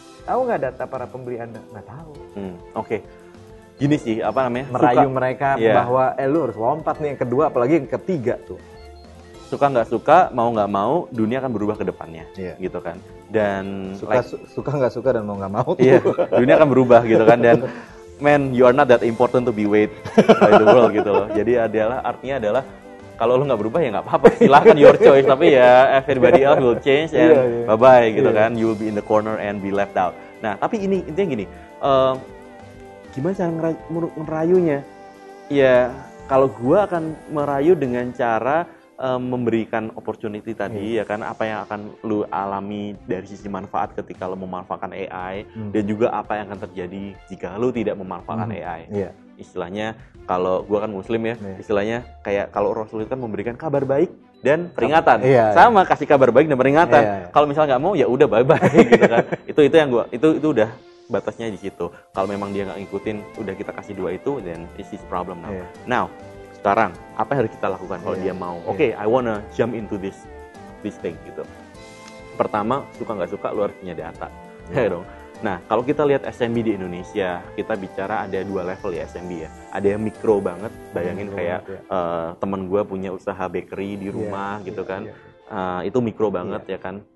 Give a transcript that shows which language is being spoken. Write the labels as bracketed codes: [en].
[id] Tahu nggak data para pembeli Anda? Nggak tahu. Gini sih, merayu suka mereka bahwa lu harus lompat nih yang kedua, apalagi yang ketiga tuh. Suka nggak suka, mau nggak mau, dunia akan berubah ke depannya, gitu kan. Dan suka nggak suka dan mau nggak mau, dunia akan berubah gitu kan. Dan [en] man, you are not that important to be weighed by the world [id] gitu loh. Jadi artinya adalah kalau lu nggak berubah ya nggak apa-apa, silakan [en] your choice. [id] Tapi ya [en] everybody else will change and bye-bye [id] gitu kan. [en] You will be in the corner and be left out. [id] Nah tapi ini intinya gini, gimana cara merayunya? Ya kalau gua akan merayu dengan cara memberikan opportunity tadi, ya kan, apa yang akan lu alami dari sisi manfaat ketika lu memanfaatkan AI, dan juga apa yang akan terjadi jika lu tidak memanfaatkan AI. Istilahnya, kalau gua kan muslim istilahnya kayak kalau Rasulullah kan memberikan kabar baik dan peringatan. Kasih kabar baik dan peringatan. Kalau misalnya nggak mau ya udah bye-bye gitu kan. itu udah batasnya di situ. Kalau memang dia nggak ngikutin, udah kita kasih dua itu, [en] then it's his problem now. Now [id] sekarang apa yang harus kita lakukan kalau dia mau? [en] I wanna jump into this thing [id] gitu. Pertama, suka nggak suka, lu harus punya data. Nah, kalau kita lihat SMB di Indonesia, kita bicara ada dua level ya SMB ya. Ada yang mikro banget, bayangin teman gue punya usaha bakery di rumah itu mikro banget ya kan.